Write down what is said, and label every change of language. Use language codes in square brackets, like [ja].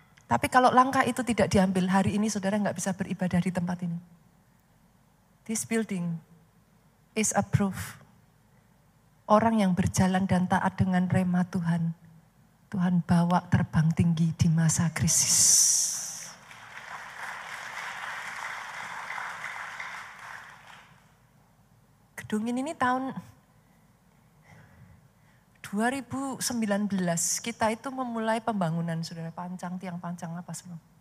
[id] Tapi kalau langkah itu tidak diambil, hari ini saudara enggak bisa beribadah di tempat ini. [en] This building is approved. [id] Orang yang berjalan dan taat dengan rema Tuhan. Tuhan bawa terbang tinggi di masa krisis. Gedung ini tahun 2019 kita itu memulai pembangunan saudara, pancang, tiang pancang apa semua.